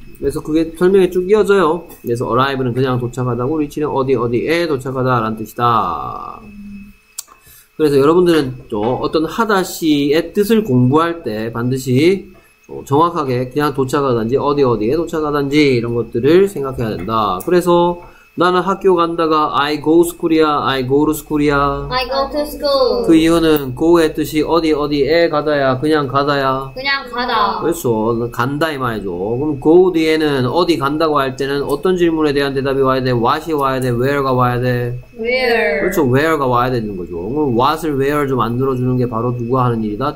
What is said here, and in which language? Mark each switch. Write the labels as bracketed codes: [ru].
[ko] 그래서 그게 설명이 쭉 이어져요. 그래서 arrive는 그냥 도착하다고, reach는 어디 어디에 도착하다 라는 뜻이다. 그래서 여러분들은 또 어떤 하다시의 뜻을 공부할 때 반드시 정확하게 그냥 도착하다든지 어디 어디에 도착하다든지 이런 것들을 생각해야 된다. 그래서 나는 학교 간다가 [en] I go to school이야, I go to school이야. I go to school. [ko] 그 이유는 go의 뜻이 어디 어디에 가다야, 그냥 가다야. 그냥 가다. 그렇죠. 간다 이 말이죠. 그럼 go 뒤에는 어디 간다고 할 때는 어떤 질문에 대한 대답이 와야 돼? What이 와야 돼? Where가 와야 돼? [en] Where. [ko] 그렇죠. Where가 와야 되는 거죠. 그럼 what을 where 좀 만들어주는 게 바로 누가 하는 일이다?